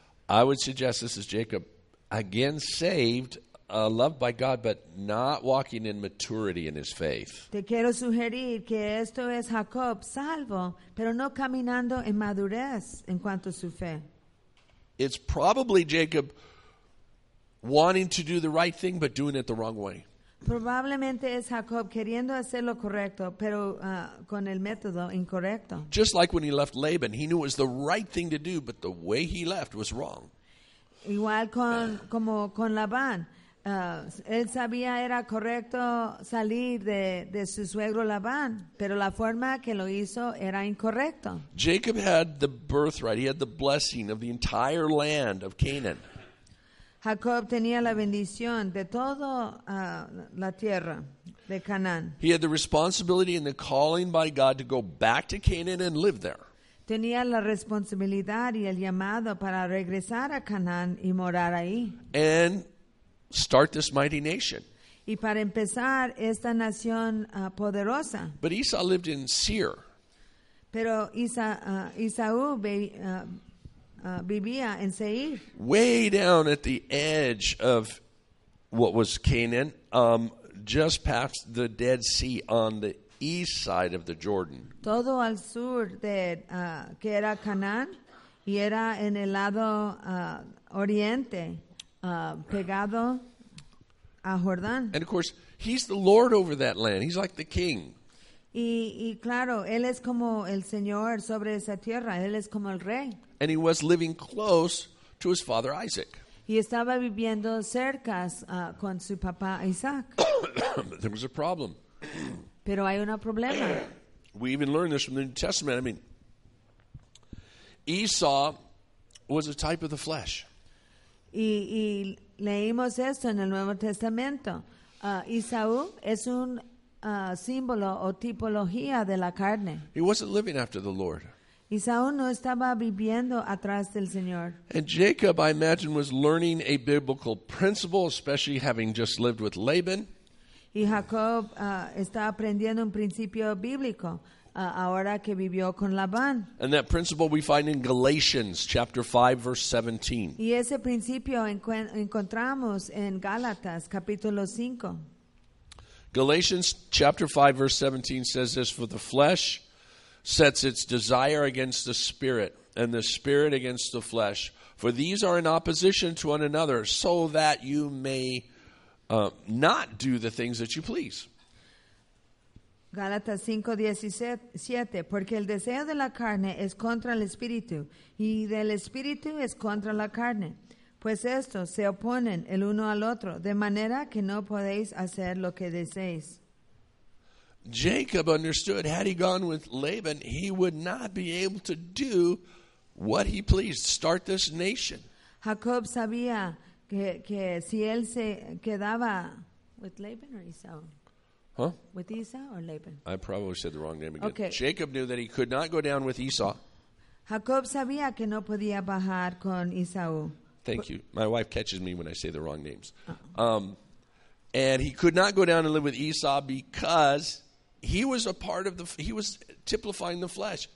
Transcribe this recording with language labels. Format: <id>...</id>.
<en>I would suggest this is Jacob again saved, loved by God, but not walking in maturity in his faith.</en> <es>Te quiero sugerir que esto es Jacob salvo, pero no caminando en madurez en cuanto a su fe.</es> <en>It's probably Jacob wanting to do the right thing, but doing it the wrong way.</en> <es>Probablemente es Jacob queriendo hacer lo correcto, pero con el método incorrecto.</es> <en>Just like when he left Laban, he knew it was the right thing to do, but the way he left was wrong.</en> <es>Igual como con Labán, él sabía era correcto salir de su suegro Labán, pero la forma que lo hizo era incorrecto.</es> <en>Jacob had the birthright, he had the blessing of the entire land of Canaan.</en> <es>Jacob tenía la bendición de toda la tierra de Canaán.</es> <en>He had the responsibility and the calling by God to go back to Canaan and live there.</en> <es>Tenía la responsabilidad y el llamado para regresar a Canaán y morar ahí.</es> <en>And start this mighty nation.</en> <es>Y para empezar esta nación poderosa.</es> <en>But Esau lived in Seir.</en> <es>Pero Esaú vivía en Seir.</es> <en>Way down at the edge of what was Canaan, just past the Dead Sea on the east side of the Jordan.</en> <es>Todo al sur de que era Canaán, y era en el lado oriente, pegado a Jordán.</es> <en>And of course, he's the Lord over that land. He's like the king.</en> <es>Y claro, él es como el señor sobre esa tierra. Él es como el rey.</es> <en>And he was living close to his father Isaac.</en> <es>Y estaba viviendo cerca con su papá Isaac.</es> <en>There was a problem.</en> <es>Pero hay un problema.</es> <en>We even learn this from the New Testament. I mean, Esau was a type of the flesh.</en> <es>Y leímos esto en el Nuevo Testamento. Esaú es un símbolo o tipología de la carne.</es> <en>He wasn't living after the Lord.</en> <es>Esaú no estaba viviendo atrás del Señor.</es> <en>And Jacob, I imagine, was learning a biblical principle, especially having just lived with Laban.</en> <es>Y Jacob está aprendiendo un principio bíblico ahora que vivió con Labán.</es> <en>And that principle we find in Galatians chapter 5 verse 17.</en> <es>Y ese principio encontramos en Gálatas capítulo 5.</es> <en>Galatians chapter 5 verse 17 says this: for the flesh sets its desire against the spirit, and the spirit against the flesh. For these are in opposition to one another, so that you may not do the things that you please.</en> <es>Gálatas 5:17. Porque el deseo de la carne es contra el espíritu, y del espíritu es contra la carne. Pues estos se oponen el uno al otro, de manera que no podéis hacer lo que deseéis.</es> <en>Jacob understood, had he gone with Laban, he would not be able to do what he pleased, start this nation.</en> <es>Jacob sabía que si él se quedaba</es> <en>with Laban or Esau? Huh? With Esau or Laban? I probably said the wrong name again. Okay. Jacob knew that he could not go down with Esau.</en> <es>Jacob sabía que no podía bajar con Esau.</es> <en>Thank you. My wife catches me when I say the wrong names. And he could not go down and live with Esau because he was a part of the, he was typifying the flesh.</en>